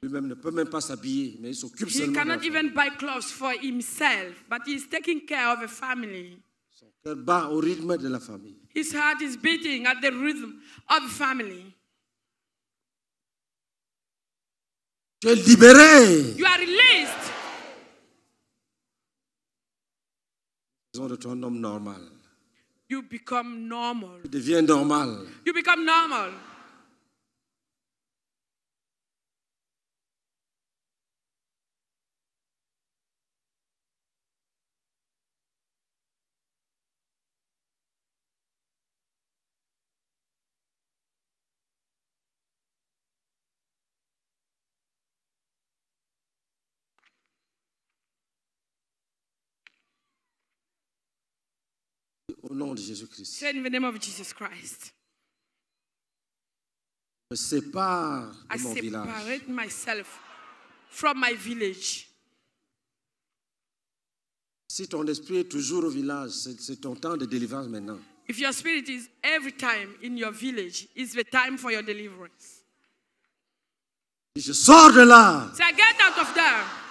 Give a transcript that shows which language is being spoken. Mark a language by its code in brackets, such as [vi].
[fr] Lui-même ne peut même pas s'habiller, mais il s'occupe seulement. [en] He cannot even buy clothes for himself, but he is taking care of a family. [fr] Son cœur bat au rythme de la famille. [en] His heart is beating at the rhythm of the family. [fr] Tu es libéré. [en] You are released. [fr] De ton homme normal. [en] You become normal. [fr] Tu deviens normal. [en] You become normal. [fr] Au nom de Jésus-Christ. [en] Say in the name of Jesus Christ. [fr] Je me sépare de mon village. [en] I separate myself from my village. [fr] Si ton esprit est toujours au village, c'est ton temps de délivrance maintenant. [en] If your spirit is every time in your village, it's the time for your deliverance. [fr] Et je sors de là. [en] Say, get out of there.